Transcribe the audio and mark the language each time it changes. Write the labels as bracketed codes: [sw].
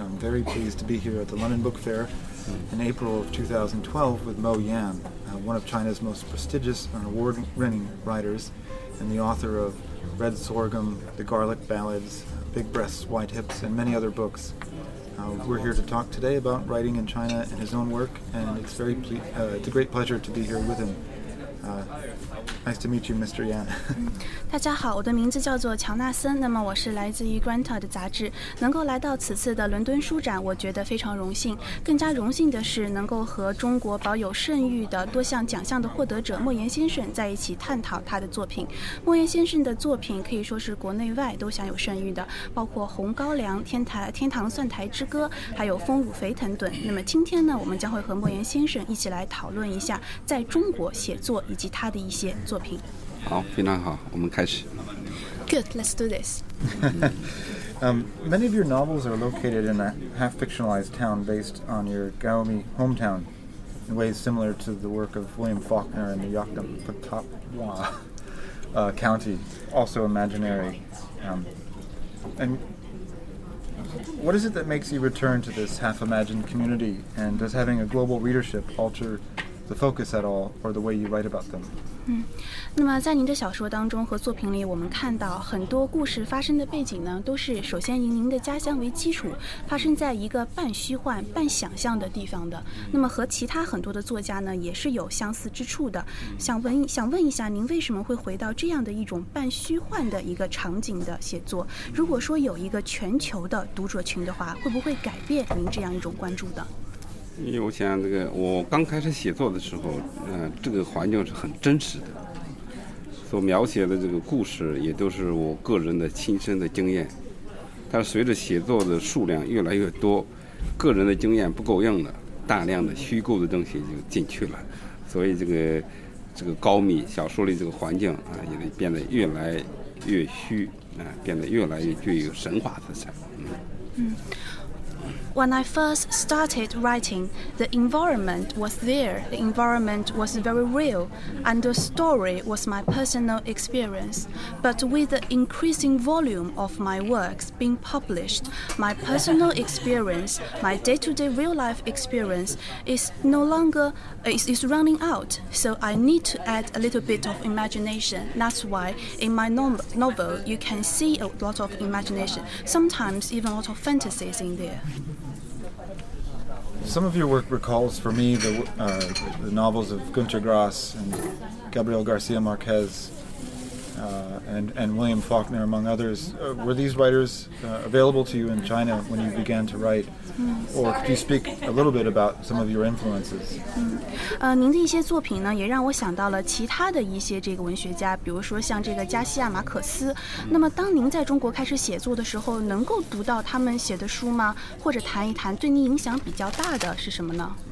[en] I'm very pleased to be here at the London Book Fair in April of 2012 with Mo Yan, one of China's most prestigious and award-winning writers and the author of Red Sorghum, The Garlic Ballads, Big Breasts, White Hips, and many other books. We're here to talk today about writing in China and his own work, and it's very it's a great pleasure to be here with him. Nice to meet you, Mr. Yan. [zh] 大家好，我的名字叫做乔纳森。那么我是来自于 Granta 的杂志，能够来到此次的伦敦书展，我觉得非常荣幸。更加荣幸的是，能够和中国保有盛誉的多项奖项的获得者莫言先生在一起探讨他的作品。莫言先生的作品可以说是国内外都享有盛誉的，包括《红高粱》《天堂蒜苔之歌》，还有《风舞肥藤》等。那么今天呢，我们将会和莫言先生一起来讨论一下在中国写作以及他的一些作品。好，非常好，我们开始。 [en] Good, let's do this. Many of your novels are located in a half-fictionalized town based on your Gaomi hometown in ways similar to the work of William Faulkner in the Yaktapatawpha County, also imaginary. And what is it that makes you return to this half-imagined community, and does having a global readership alter the focus at all or the way you write about them? [zh] 那么在您的小说当中和作品里，我们看到很多故事发生的背景呢，都是首先以您的家乡为基础，发生在一个半虚幻半想象的地方的。那么和其他很多的作家呢，也是有相似之处的。想问一下，您为什么会回到这样的一种半虚幻的一个场景的写作？如果说有一个全球的读者群的话，会不会改变您这样一种关注的？因为我想这个我刚开始写作的时候这个环境是很真实的，所描写的这个故事也都是我个人的亲身的经验，但是随着写作的数量越来越多，个人的经验不够用了，大量的虚构的东西就进去了，所以这个高密小说里这个环境也变得越来越虚变得越来越具有神话色彩。 [en] When I first started writing, the environment was there, the environment was very real, and the story was my personal experience. But with the increasing volume of my works being published, my personal experience, my day-to-day real-life experience is running out, so I need to add a little bit of imagination. That's why in my novel, you can see a lot of imagination, sometimes even a lot of fantasies in there. Some of your work recalls for me the novels of Günter Grass and Gabriel Garcia Marquez and William Faulkner, among others. Were these writers available to you in China when you began to write? Or could you speak a little bit about some of your influences? [zh] 您的一些作品呢，也让我想到了其他的一些这个文学家，比如说像这个加西亚马可斯。那么当您在中国开始写作的时候，能够读到他们写的书吗？或者谈一谈对您影响比较大的是什么呢？